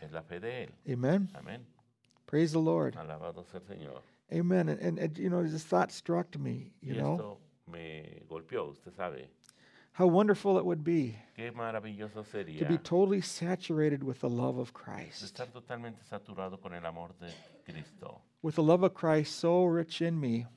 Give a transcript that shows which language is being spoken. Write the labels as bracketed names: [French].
[Spanish] Es la fe de él. Amen. Amen. [English] Praise the Lord. [Spanish] Alabado sea el Señor. Amen. [English] And you know, this thought struck me, you [Spanish] y [English] know. [Spanish] Me golpeó, usted sabe. [English] How wonderful it would be. [Spanish] Qué maravilloso sería [English] to be totally saturated with the love of Christ. [Spanish] De estar totalmente saturado con el amor de Cristo. [English] With the love of Christ so rich in me.